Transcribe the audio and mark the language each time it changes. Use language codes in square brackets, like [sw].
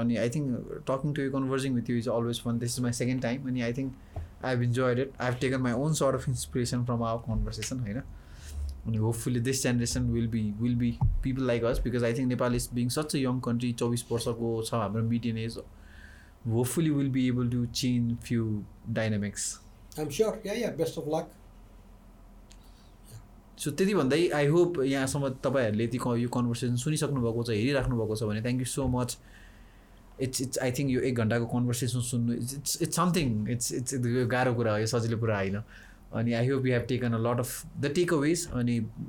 [ne] अनि [en] I think talking to you conversing with you is always fun. This is my second time [ne] अनि [en] I think I have enjoyed it. I have taken my own sort of inspiration from our conversation [ne] होइन. अनि [en] Hopefully this generation will be people like us, because I think Nepal is being such a young country. [ne] 24 वर्षको छ हाम्रो median as. [en] Hopefully will be able to change few dynamics. I'm sure. Yeah, best of luck. Yeah. So [ne] त्यति भन्दै [en] I hope [ne] यहाँसम्म तपाईँहरूले त्यो यो conversation सुनिसक्नु भएको छ, हेरिराख्नु भएको छ भने [en] Thank you so much. It's I think [ne] यो एक घन्टाको कन्भर्सेसन सुन्नु [en] It's something. It's [ne] यो गाह्रो कुरा हो, यो सजिलो कुरा होइन. अनि [en] I hope you have taken a lot of the takeaways. अनि